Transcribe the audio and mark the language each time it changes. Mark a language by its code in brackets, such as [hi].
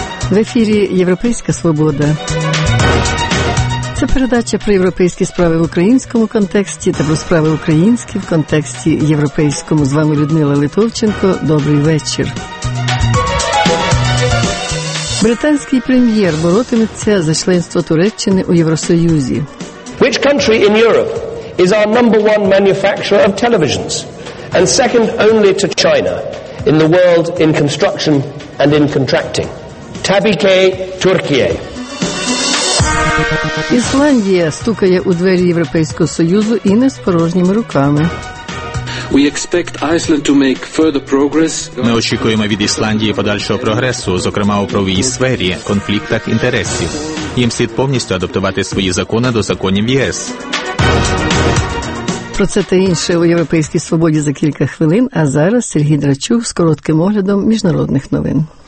[uk] В ефірі «Європейська свобода». Це передача про європейські справи в українському контексті та про справи українські в контексті європейському. З вами Людмила Литовченко. Добрий вечір. Британський прем'єр боротиметься за членство Туреччини у Євросоюзі. [en] Which country in Europe is our number one manufacturer of televisions and second only to China in the world in construction and in contracting? [tr] Табіке Туркія. [uk] Ісландія стукає у двері Європейського Союзу і не з порожніми руками. [en] We expect Iceland to make further progress. [uk] Ми очікуємо від Ісландії подальшого прогресу, зокрема у правовій сфері, конфліктах інтересів. Їм слід повністю адаптувати свої закони до законів ЄС. Про це та інше у Європейській свободі за кілька хвилин, а зараз Сергій Драчук з коротким оглядом міжнародних новин.